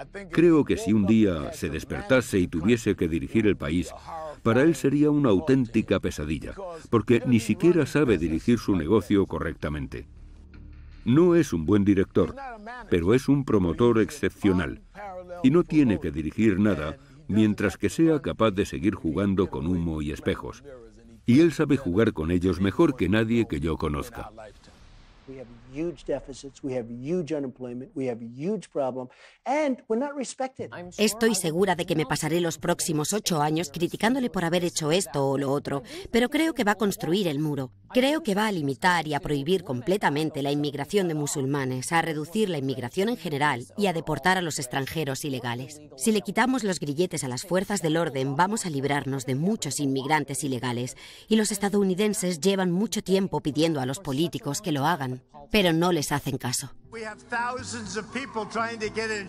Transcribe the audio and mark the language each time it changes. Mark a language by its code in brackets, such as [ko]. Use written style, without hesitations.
[es] Creo que si un día se despertase y tuviese que dirigir el país, para él sería una auténtica pesadilla, porque ni siquiera sabe dirigir su negocio correctamente. No es un buen director, pero es un promotor excepcional, y no tiene que dirigir nada mientras que sea capaz de seguir jugando con humo y espejos. Y él sabe jugar con ellos mejor que nadie que yo conozca. [en] We have huge deficits, we have huge unemployment, we have huge problem, and we're not respected. [es] Estoy segura de que me pasaré los próximos 8 años criticándole por haber hecho esto o lo otro, pero creo que va a construir el muro. Creo que va a limitar y a prohibir completamente la inmigración de musulmanes, a reducir la inmigración en general y a deportar a los extranjeros ilegales. Si le quitamos los grilletes a las fuerzas del orden, vamos a librarnos de muchos inmigrantes ilegales. Y los estadounidenses llevan mucho tiempo pidiendo a los políticos que lo hagan, pero no les hacen caso. [en] We have thousands of people trying to get in.